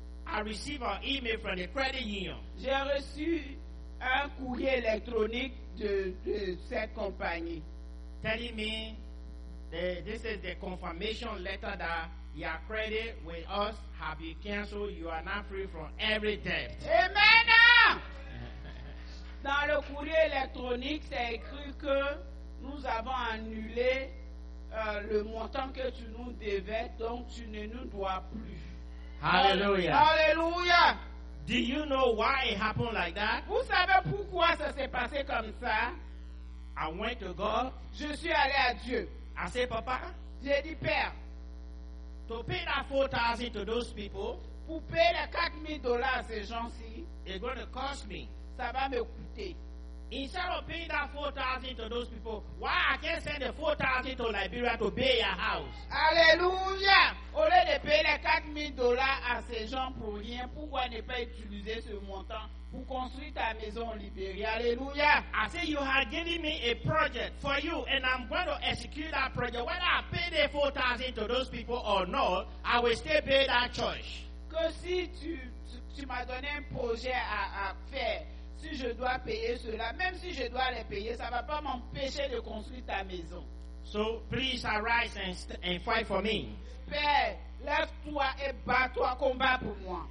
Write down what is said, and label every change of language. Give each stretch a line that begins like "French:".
English: I received an email from the credit union.
French: J'ai reçu un courrier électronique de cette compagnie.
English: Telling me this is the confirmation letter that your credit with us have been canceled. You are now free from every debt. Amen.
French: Dans le courrier électronique, c'est écrit que nous avons annulé le montant que tu nous devais, donc tu ne nous dois plus.
English: Hallelujah.
French: Hallelujah.
English: Do you know why it happened like that?
French: Vous savez pourquoi ça s'est passé comme ça?
English: I went to God.
French: Je suis allé à Dieu.
English: I said, "Papa."
French: J'ai dit, "Père."
English: To pay that $4,000 to those people.
French: Pour payer les $4,000 à ces gens-ci.
English: It's going to cost me.
French: Ça va me coûter.
English: Instead of paying that $4,000 to those people, why I can't send the $4,000 to Liberia to pay your house?
French: Alléluia! Au lieu de payer les $4,000 à ces gens pour rien, pourquoi ne pas utiliser ce montant pour construire ta maison en Libéria? Alléluia!
English: I say you have given me a project for you, and I'm going to execute that project. Whether I pay the $4,000 to those people or not, I will still pay that church.
French: Que si tu m'as donné un projet à faire. Si je dois payer cela, même si je dois les payer, ça ne va pas m'empêcher de construire ta maison.
English: So, please arise and fight for me.
French: Père, lève-toi et bats-toi, combat pour moi.